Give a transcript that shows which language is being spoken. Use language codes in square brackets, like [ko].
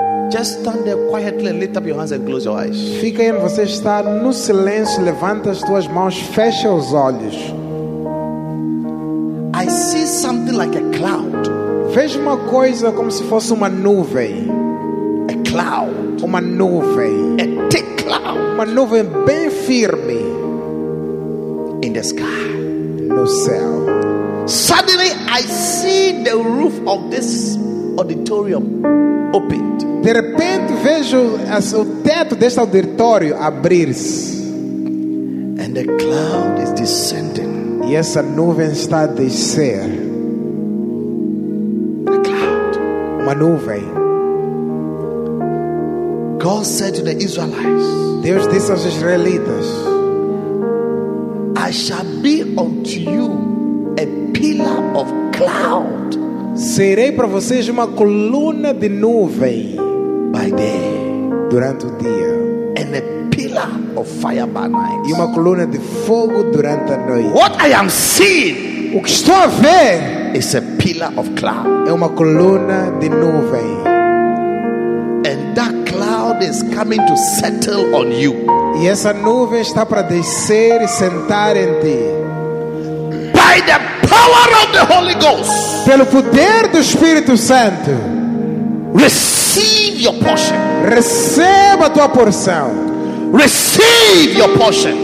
[en] Just stand there quietly and lift up your hands and close your eyes. [pt] Fica aí, você está no silêncio, levanta as tuas mãos, fecha os olhos. [en] I see something like a cloud. [pt] Vejo uma coisa como se fosse uma nuvem. [en] A cloud. [pt] Uma nuvem. [en] A thick cloud. [pt] Uma nuvem bem firme. [en] In the sky. [pt] No céu. [en] Suddenly I see the roof of this auditorium opened. [pt] De repente vejo o teto deste auditório abrir-se. [en] And the cloud is descending. [pt] E essa nuvem está a descer. [en] A cloud. [pt] Uma nuvem. [en] God said to the Israelites, [pt] Deus disse aos israelitas: [en] I shall be unto you a pillar of cloud. [pt] Serei para vocês uma coluna de nuvem. [en] By day, [pt] durante o dia, [en] and a pillar of fire by night. [pt] E uma coluna de fogo durante a noite. [en] What I am seeing, [pt] o que estou a ver, [en] is a pillar of cloud. [pt] É uma coluna de nuvem. [en] And that cloud is coming to settle on you. [pt] E essa nuvem está para descer e sentar em ti. [en] By the power of the Holy Ghost. [pt] Pelo poder do Espírito Santo. [en] Receive your portion. [pt] Receba a tua porção. [en] Receive your portion.